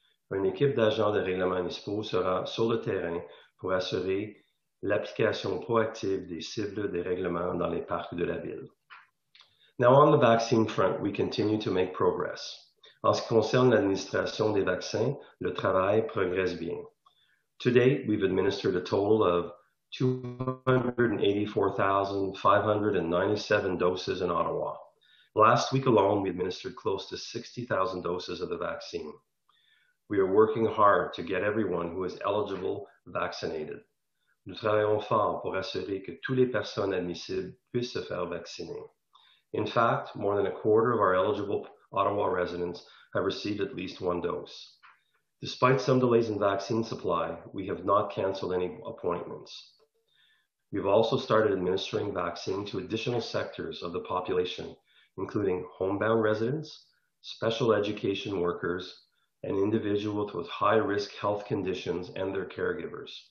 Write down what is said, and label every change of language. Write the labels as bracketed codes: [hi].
[fr] Une équipe d'agents de règlement municipaux sera sur le terrain pour assurer l'application proactive des cibles des règlements dans les parcs de la ville. [en] Now, on the vaccine front, we continue to make progress. [fr] En ce qui concerne l'administration des vaccins, le travail progresse bien. [en] To date, we've administered a total of 284,597 doses in Ottawa. Last week alone, we administered close to 60,000 doses of the vaccine. We are working hard to get everyone who is eligible vaccinated. [fr] Nous travaillons fort pour assurer que toutes les personnes admissibles puissent se faire vacciner. [en] In fact, more than a quarter of our eligible Ottawa residents have received at least one dose. Despite some delays in vaccine supply, we have not canceled any appointments. We've also started administering vaccine to additional sectors of the population, including homebound residents, special education workers, and individuals with high-risk health conditions and their caregivers.